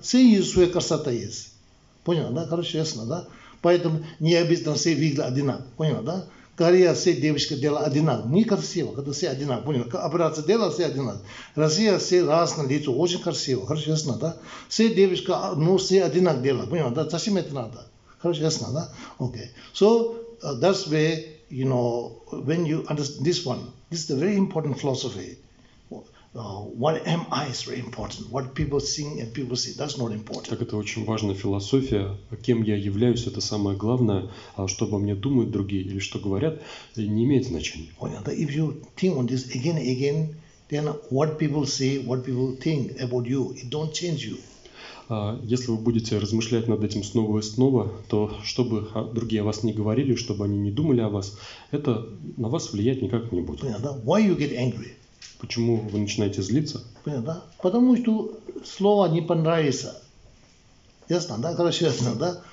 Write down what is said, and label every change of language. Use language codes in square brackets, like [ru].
[ru] Все есть своя красота есть. Понял, да? Короче, ясно, да? Поэтому не обязательно все выглядят одинаково. Понял, да? Корея все девочки делают одинаково. Некрасиво, когда все одинаково. Понял? Операция делала все одинаково. Россия все разное лицо, очень красиво. Хорошо, ясно, да? Все девочки, но все одинаково делают. Понял, да? Зачем это надо? Хорошо, ясно, да? Okay. [en] So, that's where, you know, when you understand this one, this is a very important philosophy. What am I is very important. What people think and people say, that's not important. [ru] Так это очень важная философия. Кем я являюсь, это самое главное. А что обо мне думают другие или что говорят, не имеет значения. Понял, да? [en] If you think on this again and again, then what people say, what people think about you, it don't change you. [ru] Если вы будете размышлять над этим снова и снова, то чтобы другие о вас не говорили, чтобы они не думали о вас, это на вас влиять никак не будет. Понятно? [en] Why you get angry? [ru] Почему вы начинаете злиться? Понятно? Потому что слово не понравится. Ясно, да? Хорошо, ясно, да?